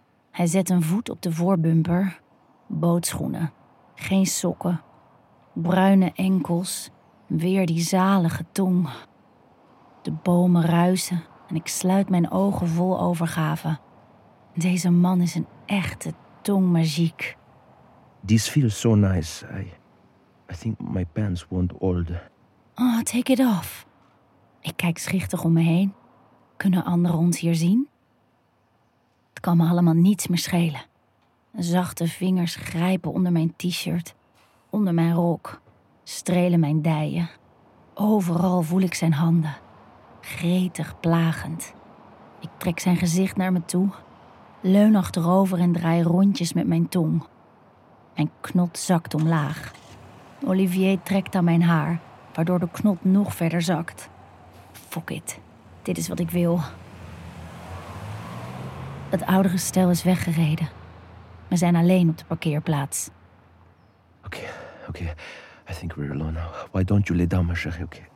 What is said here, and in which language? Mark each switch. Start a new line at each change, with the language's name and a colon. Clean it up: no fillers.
Dutch: Hij zet een voet op de voorbumper. Bootschoenen. Geen sokken. Bruine enkels, weer die zalige tong. De bomen ruisen en ik sluit mijn ogen vol overgave. Deze man is een echte tongmagiek.
English: This feels so nice. I think my pants won't hold. Oh, take it off.
Dutch: Ik kijk schichtig om me heen. Kunnen anderen ons hier zien? Het kan me allemaal niets meer schelen. Zachte vingers grijpen onder mijn t-shirt. Onder mijn rok, strelen mijn dijen. Overal voel ik zijn handen. Gretig, plagend. Ik trek zijn gezicht naar me toe. Leun achterover en draai rondjes met mijn tong. Mijn knot zakt omlaag. Olivier trekt aan mijn haar, waardoor de knot nog verder zakt.
English: Fuck it,
Dutch: dit is wat ik wil. Het oudere stel is weggereden. We zijn alleen op de parkeerplaats.
English: Okay, I think we're alone now. Why don't you lay down, my chérie, okay?